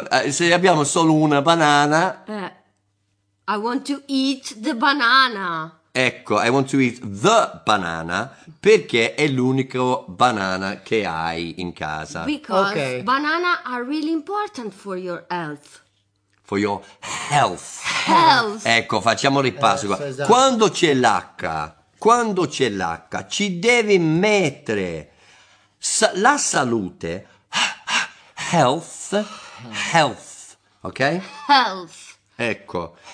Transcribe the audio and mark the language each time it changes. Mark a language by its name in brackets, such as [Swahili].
[Italian] Se abbiamo solo una banana... [English] I want to eat the banana. [Italian] Ecco, [English] I want to eat the banana [Italian] perché è l'unico banana che hai in casa. Because okay. Banana are really important for your health. For your health. Health. Ecco, facciamo ripasso qua. Esatto. Quando c'è l'H, ci devi mettere la salute, health, health, ok? [English] Health. [Italian] Ecco.